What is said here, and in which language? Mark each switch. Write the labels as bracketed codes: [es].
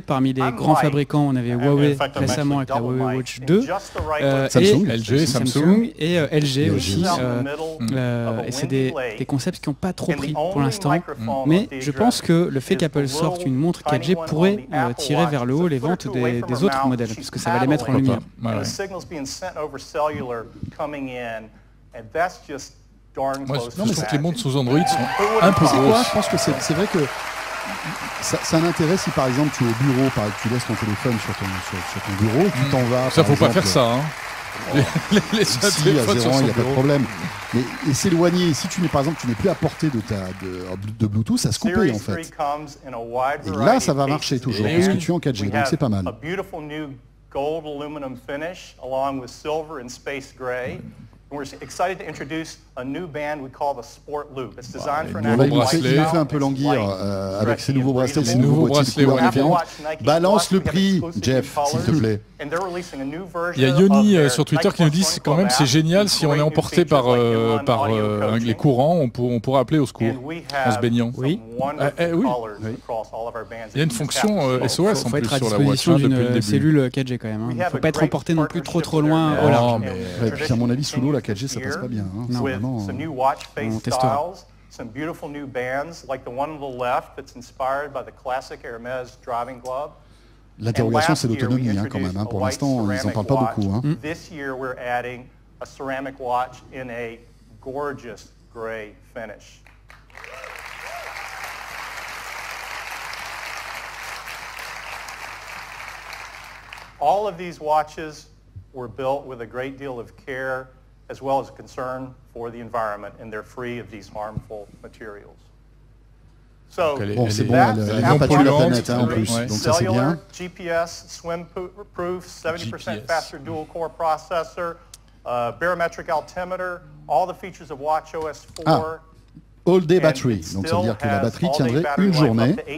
[fr] Parmi les grands fabricants, on avait Huawei récemment avec la Huawei Watch 2. Samsung. Et LG aussi. Et c'est des concepts qui n'ont pas trop pris pour l'instant. Mais je pense que le fait qu'Apple sorte une montre 4G pourrait tirer vers le haut les ventes des autres modèles, parce que ça va les mettre en lumière. [en] Sent over cellular coming in, and that's just darn close. [fr] Non, mais c'est que les montres sous Android sont un peu grosses. C'est quoi? Je pense que c'est vrai que ça m'intéresse si par exemple tu es au bureau, par exemple, tu laisses ton téléphone sur ton bureau, tu t'en vas. Ça faut pas faire ça. Hein. Ici à 0 ans, il n'y a pas de problème. Mais et s'éloigner, si tu n'es par exemple, tu n'es plus à portée de ta Bluetooth, ça se coupe en fait. Et là, ça va marcher toujours parce que tu es en 4G, donc c'est pas mal. [en] Gold aluminum finish along with silver and space gray. We're excited to introduce a new band we call the Sport Loop. It's designed for an athlete. [fr] Il me fait un peu languir avec ses nouveaux bracelets, ses nouveaux bracelets ou différents. Balance le prix, Jeff, s'il te plaît. Il y a Yoni sur Twitter qui nous dit c'est quand même c'est génial, si on est emporté par les courants, on pourra appeler au secours en se baignant. Oui. Il y a une fonction SOS en plus sur la voiture depuis le début. Une cellule 4G quand même. Il ne faut pas être emporté non plus trop loin au large. Et puis à mon avis, sous l'eau, la 4G, ça passe pas bien. On testera. [en] Some beautiful new bands, like the one on the left that's inspired by the classic Hermès driving glove. [fr] L'interrogation, c'est l'autonomie, hein, quand même. Hein. Pour l'instant, ils n'en parlent pas beaucoup. Hein. [en] This year, we're adding a ceramic watch in a gorgeous gray finish. All of these watches were built with a great deal of care, as well as a concern for the environment, and they're free of these harmful materials. [fr] So, bon, c'est bon, elle n'a pas tué la planète en plus, donc ça c'est bien. [en] GPS, swim proof, 70% faster dual core processor, barometric altimeter, all the features of WatchOS 4. [fr] Ah, [en] all day battery, [fr] donc ça veut dire que la batterie tiendrait une journée.